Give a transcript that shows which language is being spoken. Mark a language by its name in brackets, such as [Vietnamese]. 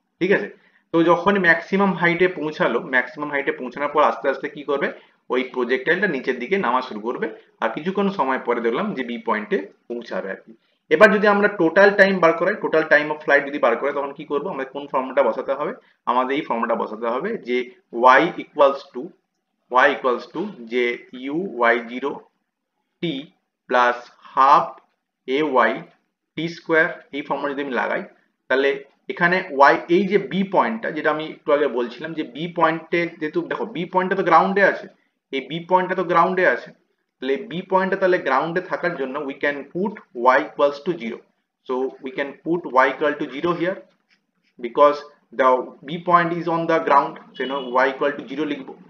[Bangla] ঠিক আছে, তো যখন ম্যাক্সিমাম হাইটে পৌঁছালো ম্যাক্সিমাম হাইটে পৌঁছানোর পর আস্তে আস্তে কি করবে? ওই প্রজেক্টাইলটা নিচের দিকে নামা শুরু করবে আর কিছুক্ষণ সময় পরে দেখলাম যে বি পয়েন্টে পৌঁছাবে আর কি। এবার যদি আমরা টোটাল টাইম বার করাই, টোটাল টাইম অফ ফ্লাইট যদি বার করে তখন কি করবো? আমাদের কোন ফর্মুলাটা বসাতে হবে? আমাদের এই ফর্মুলাটা বসাতে হবে যে [English] Y equals to y equals to j u y 0 t plus half a y t square। [Bangla] এই ফর্মুলা যদি আমি লাগাই তাহলে এখানে y এই যে b পয়েন্টটা যেটা আমি একটু আগে বলছিলাম যে b পয়েন্টে যেহেতু দেখো b পয়েন্টটা তো গ্রাউন্ডে আছে, এই b পয়েন্টটা তো গ্রাউন্ডে আছে, তাহলে b পয়েন্টটা তাহলে গ্রাউন্ডে থাকার জন্য [English] we can put y equals to 0, [Bangla] so we can put y equal to 0 here because the b point is on the ground, so you know y equal to 0 লিখবো।